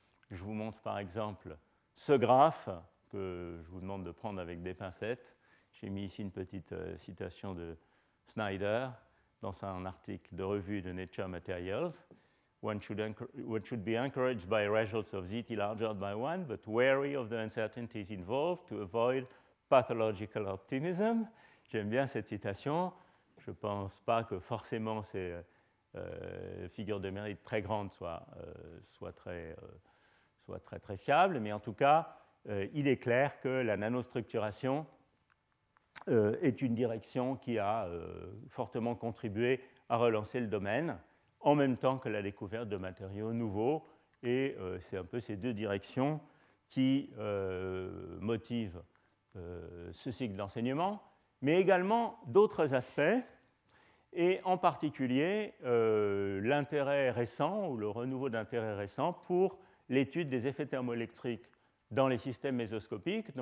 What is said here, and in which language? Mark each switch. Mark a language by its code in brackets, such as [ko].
[fr] Je vous montre par exemple ce graphe que je vous demande de prendre avec des pincettes. J'ai mis ici une petite citation de Snyder dans un article de revue de Nature Materials. [en] One should be encouraged by results of ZT larger by one, but wary of the uncertainties involved to avoid pathological optimism. [fr] J'aime bien cette citation. Je ne pense pas que forcément ces figures de mérite très grandes soient très fiable, mais en tout cas, il est clair que la nanostructuration est une direction qui a fortement contribué à relancer le domaine, en même temps que la découverte de matériaux nouveaux, et c'est un peu ces deux directions qui motivent ce cycle d'enseignement, mais également d'autres aspects, et en particulier l'intérêt récent, ou le renouveau d'intérêt récent pour l'étude des effets thermoélectriques dans les systèmes mésoscopiques.